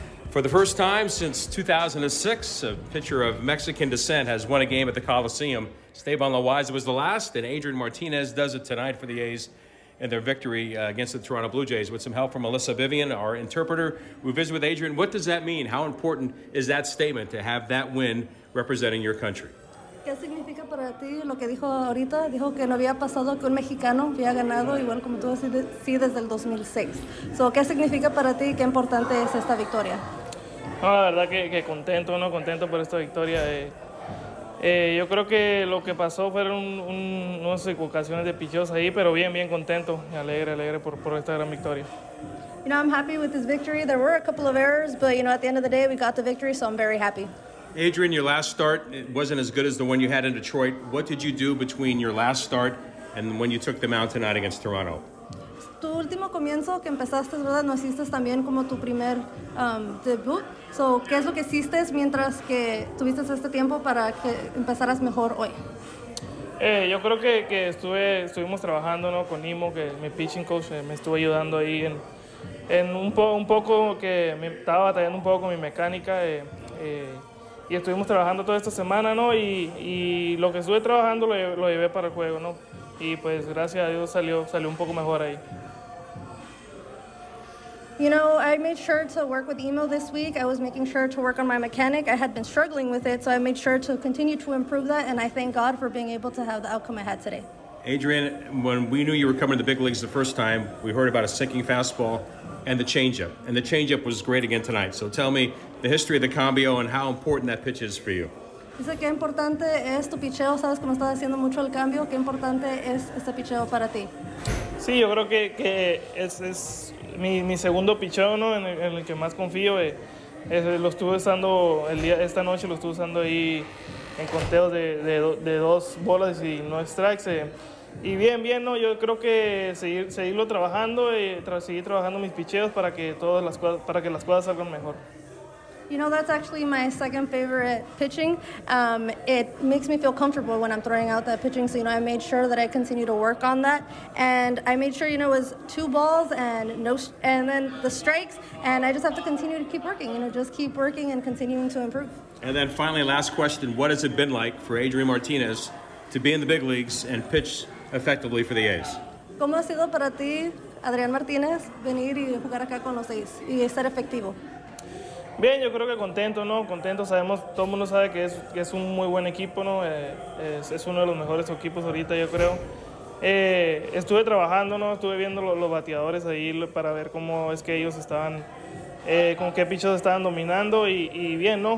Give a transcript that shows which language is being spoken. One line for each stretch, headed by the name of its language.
English: For the first time since 2006, a pitcher of Mexican descent has won a game at the Coliseum. Esteban Loaiza was the last, and Adrian Martinez does it tonight for the A's in their victory against the Toronto Blue Jays. With some help from Melissa Vivian, our interpreter, we visit with Adrian. What does that mean? How important is that statement to have that win representing your country?
Spanish: ¿Qué significa para ti lo que dijo ahorita? Dijo que no había pasado que un mexicano había ganado igual como tú decías, sí, desde el 2006. So, ¿qué significa para ti? ¿Qué importante es esta victoria? No, la verdad que contento, ¿no? Contento por esta victoria. Yo creo que lo que pasó fueron unas equivocaciones de picheos ahí, pero bien, bien contento y alegre por esta gran victoria.
English: You know, I'm happy with this victory. There were a couple of errors, but you know, at the end of the day, we got the victory, so I'm very happy. Adrian, your last start, it wasn't as good as the one you had in Detroit. What did you do between your last start and when you took the mound tonight against Toronto?
Spanish: Tu último comienzo que empezaste, ¿verdad? No hiciste también como tu primer debut. So, ¿qué es lo que hiciste mientras que tuviste este tiempo para que empezaras mejor hoy? Yo creo que estuvimos trabajando, ¿no? Con Nimo, que mi pitching coach me estuvo ayudando ahí en un poco que me estaba batallando un poco con mi mecánica. Y estuvimos trabajando toda esta semana, ¿no? Y lo que estuve trabajando lo llevé para el juego, ¿no? Y pues gracias a Dios salió un poco mejor ahí.
English: You know, I made sure to work with Emo this week. I was making sure to work on my mechanic. I had been struggling with it, so I made sure to continue to improve that, and I thank God for being able to have the outcome I had today. Adrian, when we knew you were coming to the big leagues the first time, we heard about a sinking fastball and the changeup. And the changeup was great again tonight. So tell me the history of the combo and how important that pitch is for you.
Spanish: Dice que importante es tu picheo. Sabes cómo estás haciendo mucho el cambio. Qué importante es este picheo para ti. Sí, yo creo que es mi segundo picheo, ¿no? En el que más confío. Lo estuve usando esta noche. Lo estuve usando ahí en conteo de dos bolas y no strikes. Y bien, ¿no? Yo creo que seguirlo trabajando y seguir trabajando mis picheos para que las cosas salgan mejor.
English: You know, that's actually my second favorite pitching. It makes me feel comfortable when I'm throwing out that pitching. So, you know, I made sure that I continue to work on that. And I made sure, you know, it was two balls and no, and then the strikes. And I just have to continue to keep working, you know, just keep working and continuing to improve. And then finally, last question. What has it been like for Adrian Martinez to be in the big leagues and pitch effectively for the A's?
Spanish: ¿Cómo ha sido para ti, Adrian Martinez, venir y jugar acá con los A's y ser efectivo? Bien, yo creo que contento, ¿no? Contento, sabemos, todo el mundo sabe que es un muy buen equipo, ¿no? Es uno de los mejores equipos ahorita, yo creo. Estuve trabajando, ¿no? Estuve viendo los bateadores ahí para ver cómo es que ellos estaban, con qué pichos estaban dominando y bien, ¿no?